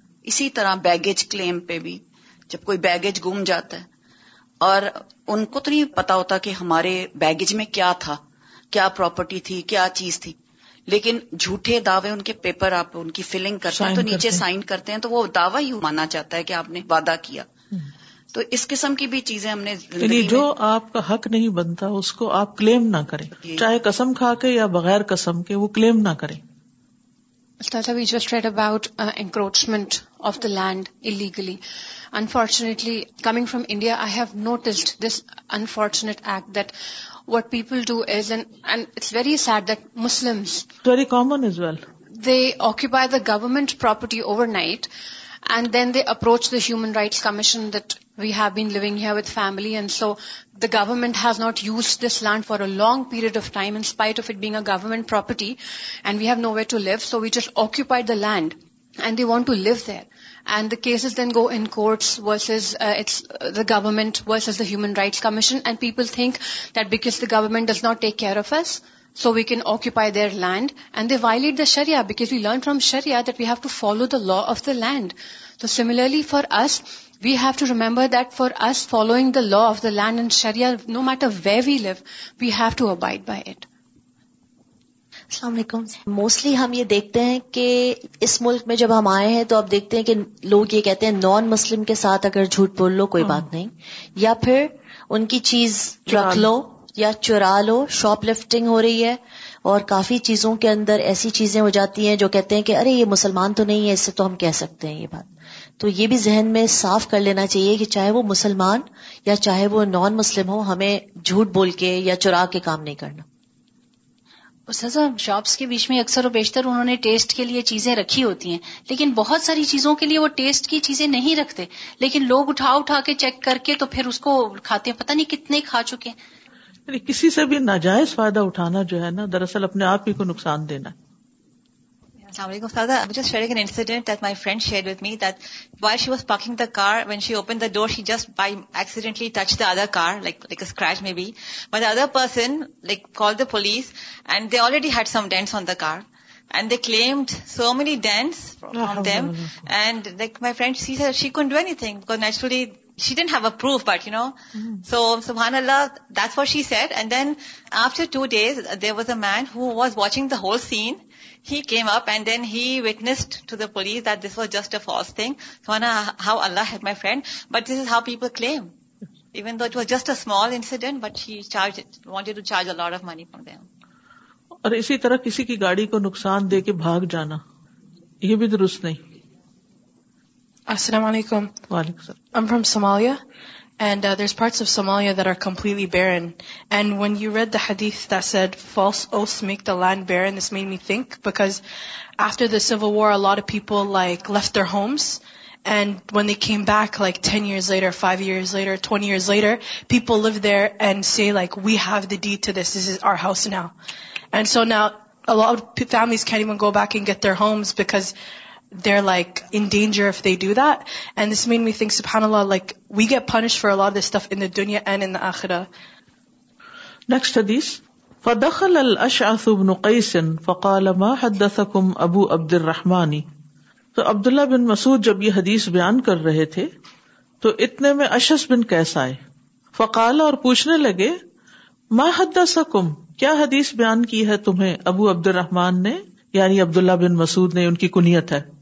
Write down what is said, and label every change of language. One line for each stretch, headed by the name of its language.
Urdu: اسی طرح بیگیج کلیم پہ بھی جب کوئی بیگیج گم جاتا ہے اور ان کو تو نہیں پتا ہوتا کہ ہمارے بیگیج میں کیا تھا, کیا پراپرٹی تھی, کیا چیز تھی, لیکن جھوٹے دعوے ان کے پیپر آپ ان کی فلنگ کرتے ہیں تو نیچے سائن کرتے ہیں, تو وہ دعویٰ ہی مانا جاتا ہے کہ آپ نے وعدہ کیا. تو اس قسم کی بھی چیزیں ہم نے, یعنی جو آپ کا حق نہیں بنتا اس کو آپ کلیم نہ کریں, چاہے قسم کھا کے یا بغیر قسم کے, وہ کلیم نہ کریں.
English: Ustaza, we just read about encroachment of the land illegally. Unfortunately, coming from India, I have noticed this unfortunate act that what people do is, and it's very sad that Muslims, it's very common as well, they occupy the government property overnight and then they approach the Human Rights Commission that we have been living here with family, and so the government has not used this land for a long period of time in spite of it being a government property and we have nowhere to live, so we just occupied the land and they want to live there. and the cases then go in courts versus it's the government versus the Human Rights Commission, and people think that because the government does not take care of us, so we can occupy their land, and they violate the Sharia, because we learn from Sharia that we have to follow the law of the land. So similarly for us, we have to remember that for us, following the law of the land and Sharia, no matter where we live, we have to abide by it.
Urdu: السلام علیکم. Mostly ہم یہ دیکھتے ہیں کہ اس ملک میں جب ہم آئے ہیں تو آپ دیکھتے ہیں کہ لوگ یہ کہتے ہیں نان مسلم کے ساتھ اگر جھوٹ بول لو کوئی بات نہیں, یا پھر ان کی چیز رکھ لو یا چرا لو, شاپ لفٹنگ ہو رہی ہے, اور کافی چیزوں کے اندر ایسی چیزیں ہو جاتی ہیں جو کہتے ہیں کہ ارے یہ مسلمان تو نہیں ہے, اس سے تو ہم کہہ سکتے ہیں یہ بات. تو یہ بھی ذہن میں صاف کر لینا چاہیے کہ چاہے وہ مسلمان یا چاہے وہ نان مسلم ہو, ہمیں جھوٹ بول کے یا چرا کے کام نہیں کرنا. استاذہ, شاپس کے بیچ میں اکثر و بیشتر انہوں نے ٹیسٹ کے لیے چیزیں رکھی ہوتی ہیں, لیکن بہت ساری چیزوں کے لیے وہ ٹیسٹ کی چیزیں نہیں رکھتے, لیکن لوگ اٹھا اٹھا کے چیک کر کے تو پھر اس کو کھاتے ہیں, پتہ نہیں کتنے کھا چکے ہیں. کسی سے بھی ناجائز فائدہ اٹھانا جو ہے نا, دراصل اپنے آپ ہی کو نقصان دینا.
English: Assalamu alaikum, Sada. I'm just sharing an incident that my friend shared with me, that while she was parking the car, when she opened the door, she just by accidentally touched the other car, like a scratch maybe. But the other person, like, called the police, and they already had some dents on the car. And they claimed so many dents from them. And, like, my friend, she said she couldn't do anything, because naturally, she didn't have a proof, but, you know. So, subhanAllah, that's what she said. And then, after 2 days, there was a man who was watching the whole scene. He came up and then he witnessed to the police that this was just a false thing. Subhana, how Allah helped my friend. But this is how people claim. Even though it was just a small incident, but she wanted to charge a lot of money from them.
Urdu: اور اسی طرح کسی کی گاڑی کو نقصان دے کے بھاگ جانا, یہ بھی درست نہیں.
English: Assalamu alaikum. Walaikum salam. I'm from Somalia. And there's parts of Somalia that are completely barren. And when you read the hadith that said, false oaths make the land barren, this made me think, because after the civil war, a lot of people like left their homes. And when they came back, like 10 years later, 5 years later, 20 years later, people live there and say, like, we have the deed to this. This is our house now. And so now a lot of families can't even go back and get their homes because they're like in danger if they do that. And this made me think, subhanAllah, like we get punished for a lot of this stuff in the dunya and in the akhirah. Next hadith.
Arabic: فدخل الأشعث بن قيس فقال ما حدثكم أبو عبد الرحمن.
Urdu: تو عبداللہ بن مسعود جب یہ حدیث بیان کر رہے تھے تو اتنے میں اشعث بن قیس آئے. فقال, اور پوچھنے لگے,
Arabic: ما حدثكم,
Urdu: کیا حدیث بیان کی ہے تمہیں ابو عبد الرحمن نے, یعنی عبداللہ بن مسعود نے, ان کی کنیت ہے.